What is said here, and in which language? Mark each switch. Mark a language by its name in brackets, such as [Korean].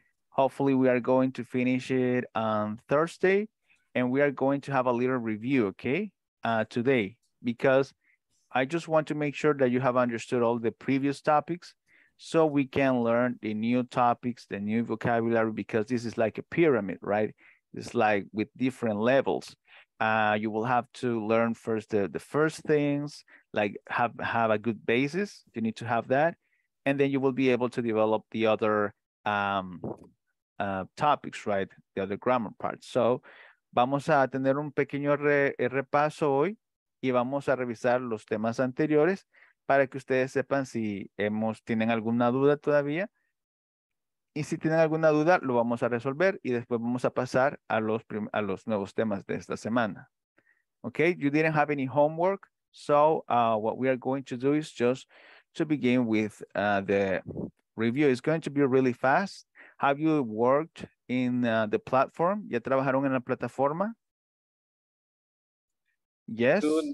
[English] Hopefully we are going to finish it on Thursday, and we are going to have a little review, okay, today, because I just want to make sure that you have understood all the previous topics so we can learn the new topics, the new vocabulary, because this is like a pyramid, right? It's like with different levels. You will have to learn first the first things, like have a good basis. You need to have that. And then you will be able to develop the other topics, right? The other grammar parts. [Spanish] So vamos a tener un pequeño repaso hoy y vamos a revisar los temas anteriores para que ustedes sepan si tienen alguna duda todavía. Y si tienen alguna duda, lo vamos a resolver y después vamos a pasar a los nuevos temas de esta semana. [English] Okay, you didn't have any homework. So what we are going to do is just to begin with the review. It's going to be really fast. Have you worked in the platform? [Spanish] ¿Ya trabajaron en la plataforma? [English] Yes?